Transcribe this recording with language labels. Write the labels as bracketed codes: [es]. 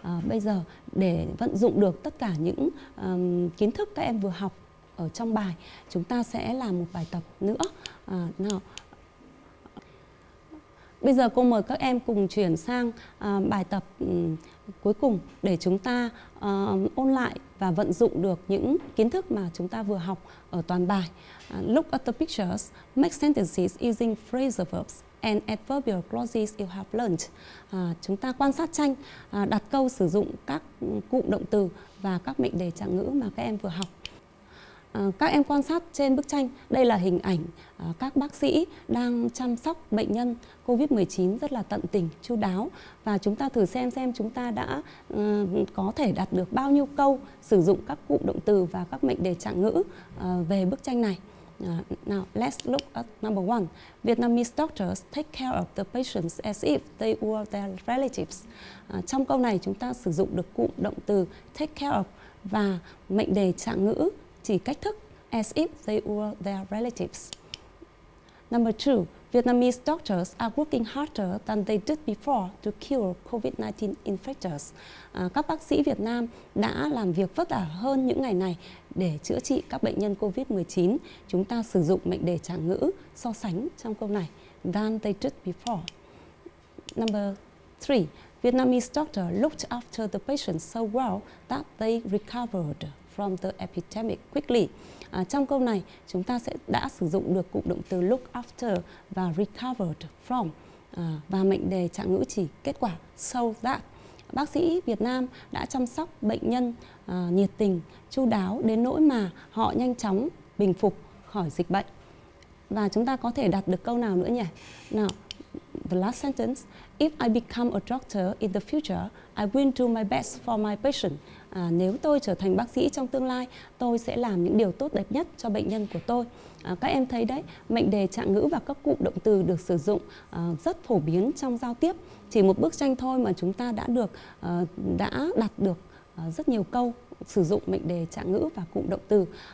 [vi] Bây giờ để vận dụng được tất cả những kiến thức các em vừa học ở trong bài, chúng ta sẽ làm một bài tập nữa. Nào, bây giờ cô mời các em cùng chuyển sang bài tập cuối cùng để chúng ta ôn lại và vận dụng được những kiến thức mà chúng ta vừa học ở toàn bài. [en] Look at the pictures, make sentences using phrasal verbs and adverbial clauses you have learned. [vi] Chúng ta quan sát tranh, đặt câu sử dụng các cụm động từ và các mệnh đề trạng ngữ mà các em vừa học. Các em quan sát trên bức tranh, đây là hình ảnh các bác sĩ đang chăm sóc bệnh nhân COVID-19 rất là tận tình, chu đáo. Và chúng ta thử xem chúng ta đã có thể đặt được bao nhiêu câu sử dụng các cụm động từ và các mệnh đề trạng ngữ về bức tranh này. [en] Now, let's look at number one. Vietnamese doctors take care of the patients as if they were their relatives. [vi] Trong câu này chúng ta sử dụng được cụm động từ take care of và mệnh đề trạng ngữ chỉ cách thức, [en] as if they were their relatives. Number two, Vietnamese doctors are working harder than they did before to cure COVID-19 infectors. [vi] Các bác sĩ Việt Nam đã làm việc vất vả hơn những ngày này để chữa trị các bệnh nhân COVID-19. Chúng ta sử dụng mệnh đề trạng ngữ so sánh trong câu này, [en] than they did before. Number three, Vietnamese doctor looked after the patient so well that they recovered from the epidemic quickly. [vi] Trong câu này chúng ta sẽ đã sử dụng được cụm động từ look after và recovered from và mệnh đề trạng ngữ chỉ kết quả so that. Bác sĩ Việt Nam đã chăm sóc bệnh nhân nhiệt tình, chu đáo đến nỗi mà họ nhanh chóng bình phục khỏi dịch bệnh. Và chúng ta có thể đặt được câu nào nữa nhỉ? [en] Nào, the last sentence, if I become a doctor in the future, I will do my best for my patient. [vi] Nếu tôi trở thành bác sĩ trong tương lai, tôi sẽ làm những điều tốt đẹp nhất cho bệnh nhân của tôi. Các em thấy đấy, mệnh đề trạng ngữ và các cụm động từ được sử dụng rất phổ biến trong giao tiếp. Chỉ một bức tranh thôi mà chúng ta đã đặt được rất nhiều câu sử dụng mệnh đề trạng ngữ và cụm động từ.